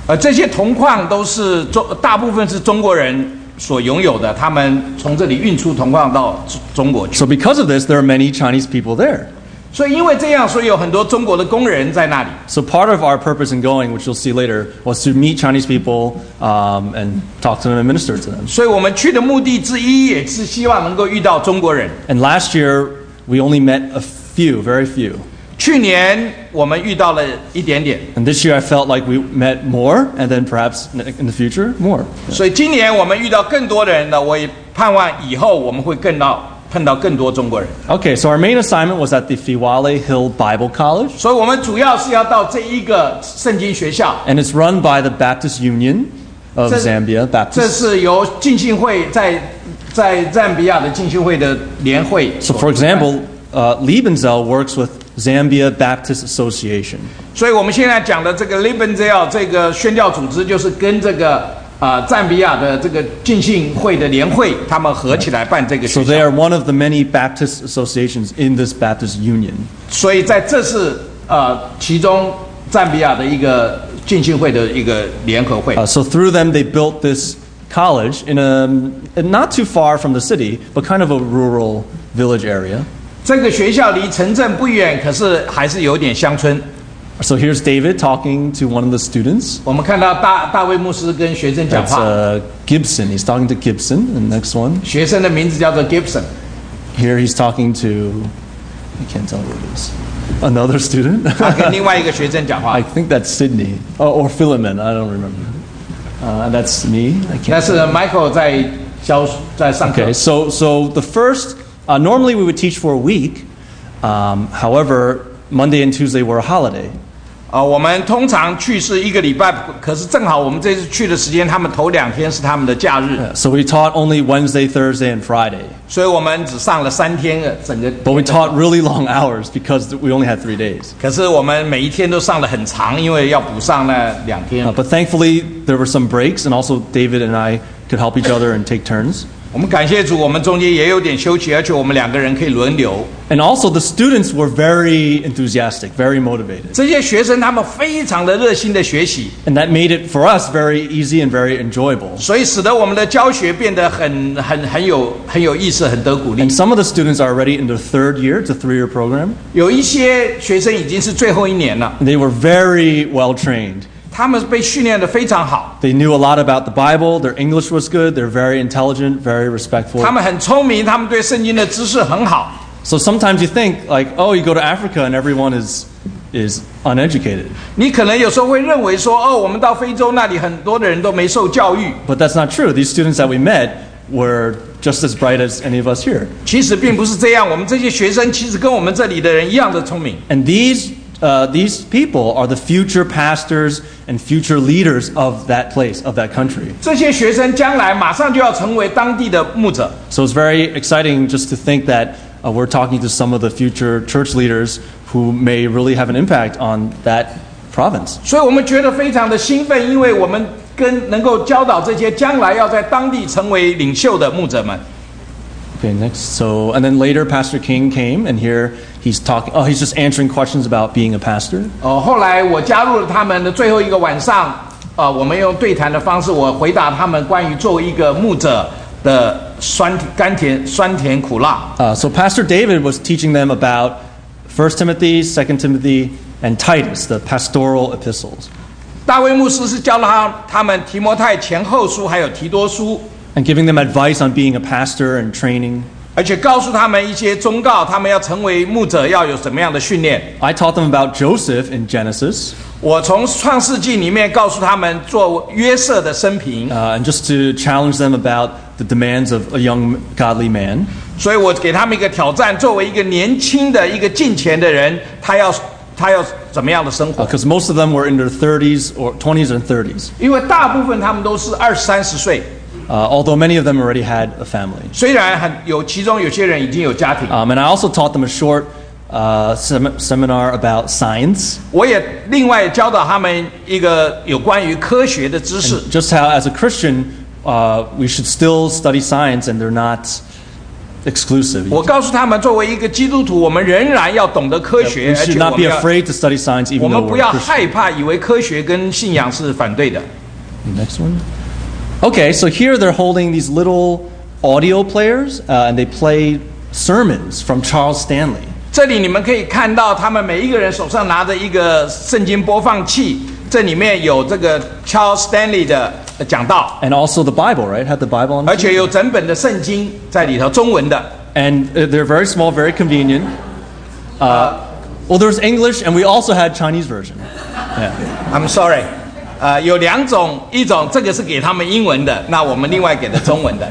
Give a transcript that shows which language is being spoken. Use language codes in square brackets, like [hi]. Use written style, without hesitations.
[zh] 这些铜矿都是大部分是中国人所拥有的，他们从这里运出铜矿到中国去。 [en] So because of this, there are many Chinese people there. [zh] 所以因为这样，所以有很多中国的工人在那里。 [en] So part of our purpose in going, which you'll see later, was to meet Chinese people, and talk to them and minister to them. [zh] 所以我们去的目的之一也是希望能够遇到中国人。 [en] And last year, we only met a few, very few. [zh] 去年我们遇到了一点点。 [en] And this year I felt like we met more, and then perhaps in the future, more. [zh] 所以今年我们遇到更多的人了，我也盼望以后我们会碰到更多中国人。 [en] Okay, so our main assignment was at the Fiwale Hill Bible College. [zh] 所以我们主要是要到这一个圣经学校。 [en] And it's run by the Baptist Union of Zambia, Baptist. [zh] 这是由浸信会在赞比亚的浸信会的联会。 [en] So for example,Liebenzell works with Zambia Baptist Association. [zh] 所以我们现在讲的这个 Liebenzell 这个宣教组织就是跟这个赞比亚的这个浸信会的联会他们合起来办这个学校。 [en] So they are one of the many Baptist associations in this Baptist Union. [zh] 所以在这是其中赞比亚的一个浸信会的一个联合会。 [en] So through them they built this college in a not too far from the city, but kind of a rural village area. [zh] 这个学校离城镇不远，可是还是有点乡村。 [en] So here's David talking to one of the students. [zh] 我们看到大卫牧师跟学生讲话。 [en] That's Gibson. He's talking to Gibson. The next one. [zh] 学生的名字叫做 Gibson. [en] Here he's talking to, I can't tell who it is. Another student. [zh] 他跟另外一个学生讲话。 [en] I think that's Sydney. Oh, or Philemon. I don't remember. That's me. I can't. [zh] 那是 Michael 在上课。 [en] Okay. So the first. Normally we would teach for a week. However, Monday and Tuesday were a holiday. [zh] 我们通常去是一个礼拜，可是正好我们这次去的时间，他们头两天是他们的假日。 [en] So we taught only Wednesday, Thursday, and Friday. [zh] 所以我们只上了三天，整个。 [en] But we taught really long hours because we only had 3 days. [zh] 可是我们每一天都上了很长，因为要补上那两天。 [en] But thankfully, there were some breaks, and also David and I could help each other and take turns. [zh] 我们感谢主，我们中间也有点休息，而且我们两个人可以轮流。 [en] And also the students were very enthusiastic, very motivated. [zh] 这些学生他们非常的热心的学习。 [en] And that made it for us very easy and very enjoyable. [zh] 所以使得我们的教学变得很有意思，很得鼓励。 [en] And some of the students are already in their third year, it's a 3-year program. [zh] 有一些学生已经是最后一年了。 [en] They were very well trained. [zh] 他们被训练得非常好。 [en] They knew a lot about the Bible. Their English was good. They're very intelligent, very respectful. [zh] 他们很聪明，他们对圣经的知识很好。 [en] So sometimes you think, like, oh, you go to Africa and everyone is uneducated. [zh] 你可能有时候会认为说，哦，我们到非洲那里，很多的人都没受教育。 [en] But that's not true. These students that we met were just as bright as any of us here. [zh] 其实并不是这样，我们这些学生其实跟我们这里的人一样的聪明。 [en] And these people are the future pastors and future leaders of that place, of that country. [zh] 这些学生将来马上就要成为当地的牧者。 [en] So it's very exciting just to think that we're talking to some of the future church leaders who may really have an impact on that province. [zh] 所以我们觉得非常的兴奋，因为我们跟能够教导这些将来要在当地成为领袖的牧者们。 [en] Okay, next. So, and then later, Pastor King came, and here he's talking. Oh, he's just answering questions about being a pastor. [zh] 后来我加入了他们的最后一个晚上，我们用对谈的方式，我回答他们关于作为一个牧者的酸甜苦辣。 [en] So Pastor David was teaching them about 1 Timothy, 2 Timothy, and Titus, the pastoral epistles. [zh] 大卫牧师是教了他们提摩太前后书，还有提多书。 [en] And giving them advice on being a pastor and training. [zh] 而且告诉他们一些忠告，他们要成为牧者要有什么样的训练。 [en] I taught them about Joseph in Genesis. [zh] 我从创世纪里面告诉他们做约瑟的生平。 [en] And just to challenge them about the demands of a young godly man. [zh] 所以我给他们一个挑战，作为一个年轻的一个敬虔的人，他要怎么样的生活？ [en] Because most of them were in their 30s or 20s and 30s. [zh] 因为大部分他们都是二十三十岁。 [en] Although many of them already had a family. [zh] 虽然其中有些人已经有家庭。 [en] And I also taught them a short seminar about science. [zh] 我也另外教导他们一个有关于科学的知识。 [en] Just how as a Christian, we should still study science and they're not exclusive. [zh] 我告诉他们作为一个基督徒我们仍然要懂得科学。 [en] We should not be afraid to study science even though we're Christian. [zh] 我们不要害怕以为科学跟信仰是反对的。 [en] Next one. Okay, so here they're holding these little audio players, and they play sermons from Charles Stanley. [zh] 这里你们可以看到，他们每一个人手上拿着一个圣经播放器，这里面有这个 Charles Stanley 的讲道。 [en] And also the Bible, right? Had the Bible on. [zh] 而且有整本的圣经在里头，中文的。 [en] And they're very small, very convenient. Well, there's English, and we also had Chinese version. Yeah. I'm sorry. [zh] 有两种，一种这个是给他们英文的，那我们另外给的中文的。